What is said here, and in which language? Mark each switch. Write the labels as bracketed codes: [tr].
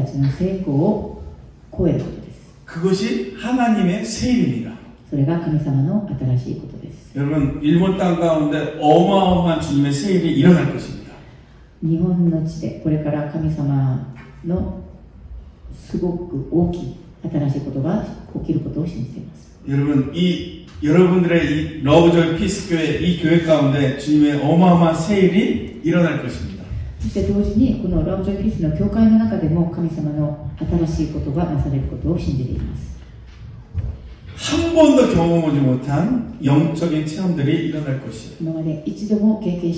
[ja] 私たちが今までうまくやってきたこと、私たちの成功を超えることです。 [ko] 그것이 하나님의 세일입니다. [ja] それが神様の新しいことです。 [ko] 여러분, 일본 땅 가운데 어마어마한 주님의 세일이 일어날 것입니다. [ja] 日本の地でこれから神様のすごく大きい新しいことが起きることを信じています。 [ko] 여러분, 이 여러분들의 이 러브조이 피스 교회 이 교회 가운데 주님의 어마어마한 세일이 일어날 것입니다. [ja] そして同時にこのラウジョイピースの教会の中でも神様の新しいことがなされることを信じています。 [ko] 한 번도 경험하지 못한 영적인 체험들이 일어날 것이에요.